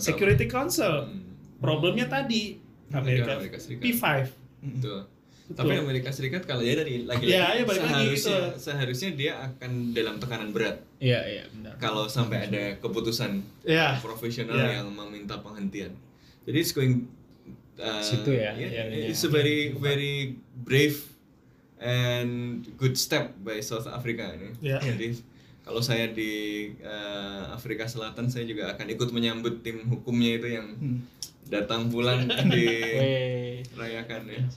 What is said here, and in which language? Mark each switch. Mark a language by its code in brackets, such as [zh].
[id] Security Council. Problemnya tadi, Amerika Serikat. P5. Tapi Amerika Serikat kalau ya dari lagi-lagi seharusnya, gitu. Seharusnya dia akan dalam tekanan berat. Iya, iya, benar. Kalau sampai ada keputusan profesional yang meminta penghentian. [en] Jadi it's going [id] situ ya. [en] It's a very very brave and good step by South Africa [id] ini. Jadi kalau saya di Afrika Selatan, saya juga akan ikut menyambut tim hukumnya itu yang datang pulang di rayakan ya.